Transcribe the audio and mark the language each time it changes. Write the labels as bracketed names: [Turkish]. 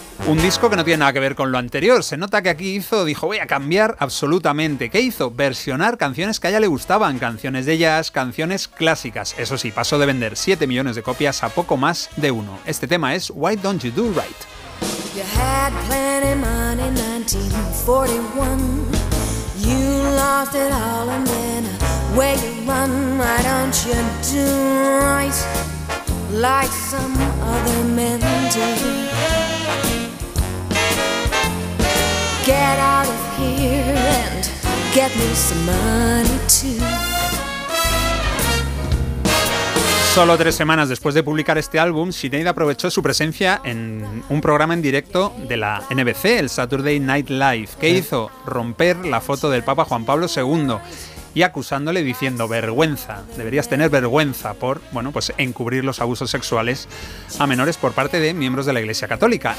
[Spanish] Un disco que no tiene nada que ver con lo anterior. Se nota que aquí dijo, voy a cambiar absolutamente. ¿Qué hizo? Versionar canciones que a ella le gustaban, canciones de jazz, canciones clásicas. Eso sí, pasó de vender 7 millones de copias a poco más de uno. Este tema es Why Don't You Do Right. [English] You had plenty of money in 1941. You lost it all and then away you run. Why don't you do right like some other men do? Get out of here and get me some money too. [Spanish] Solo 3 semanas después de publicar este álbum, Sinead aprovechó su presencia en un programa en directo de la NBC, el Saturday Night Live. ¿Qué hizo? Romper la foto del Papa Juan Pablo II. y acusándole diciendo vergüenza, deberías tener vergüenza por, bueno, pues encubrir los abusos sexuales a menores por parte de miembros de la Iglesia Católica.